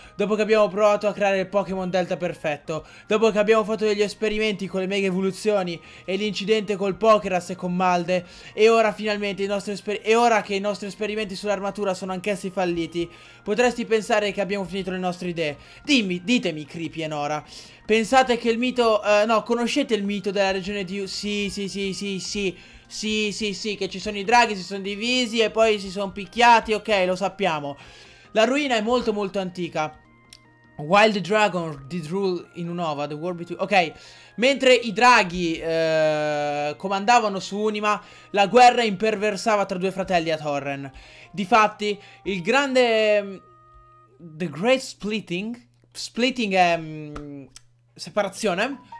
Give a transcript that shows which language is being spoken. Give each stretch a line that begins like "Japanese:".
Italian: Dopo che abbiamo provato a creare il Pokémon Delta perfetto, dopo che abbiamo fatto degli esperimenti con le Mega Evoluzioni e l'incidente col Pokéras e con Malde, e ora finalmente i nostri esperimenti sull'armatura sono anch'essi falliti, potresti pensare che abbiamo finito le nostre idee. Dimmi, ditemi, Creepy e Nora. Pensate che il mito... conoscete il mito della regione di... Sì, che ci sono i draghi, si sono divisi e poi si sono picchiati, ok, lo sappiamo. La ruina è molto molto antica.
English: Wild Dragon did rule in Unova, the world between...
Italian: Ok, mentre i draghi comandavano su Unima, la guerra imperversava tra due fratelli a Torren. Difatti, il grande...
English: The Great Splitting... Splitting
Italian: è... separazione...